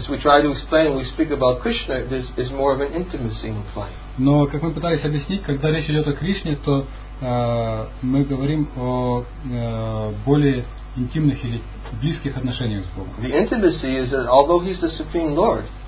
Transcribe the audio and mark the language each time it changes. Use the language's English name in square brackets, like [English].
[English] But as we try to explain, we speak about Krishna, this is more of an intimacy implied. [Russian] Но как мы пытались объяснить, когда речь идет о Кришне, то мы говорим о более интимных или близких отношениях с Богом. [English] The intimacy is that although he's the Supreme Lord,